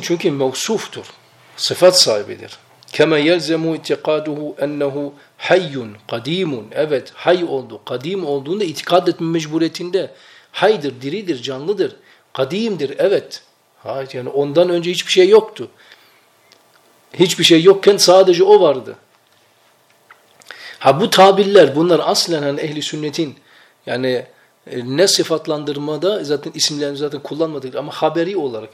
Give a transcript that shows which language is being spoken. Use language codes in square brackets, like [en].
[tr] Çünkü mevsuftur, sıfat sahibidir. [ar] كَمَا يَلْزَمُ اِتِقَادُهُ اَنَّهُ حَيٌّ قَد۪يمٌ [tr] Evet, hay oldu. Kadim olduğunda itikad etme mecburiyetinde. Haydır, diridir, canlıdır. Kadimdir, evet. Hayır, yani ondan önce hiçbir şey yoktu. Hiçbir şey yokken sadece o vardı. Ha bu tabirler, bunlar aslen hani ehli sünnetin yani ne sıfatlandırmada zaten isimlerini zaten kullanmadık ama haberi olarak.